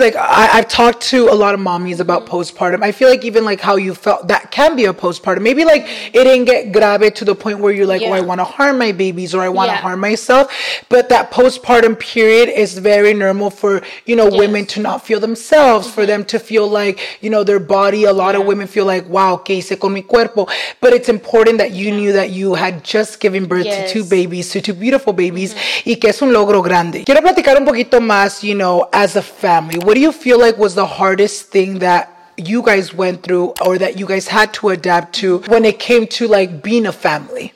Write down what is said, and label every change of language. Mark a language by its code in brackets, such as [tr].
[en] Like, I've talked to a lot of mommies about postpartum. I feel like even like how you felt, that can be a postpartum. Maybe like it didn't get grave to the point where you're like, oh, I want to harm my babies or I want to harm myself. But that postpartum period is very normal for, you know, women to not feel themselves, for them to feel like, you know, their body. A lot of women feel like, wow, [es] ¿qué hice con mi cuerpo? [en] But it's important that you knew that you had just given birth to two babies, to two beautiful babies. [es] Y que es un logro grande. Quiero platicar un poquito más, [en] you know, as a family. What do you feel like was the hardest thing that you guys went through or that you guys had to adapt to when it came to like being a family?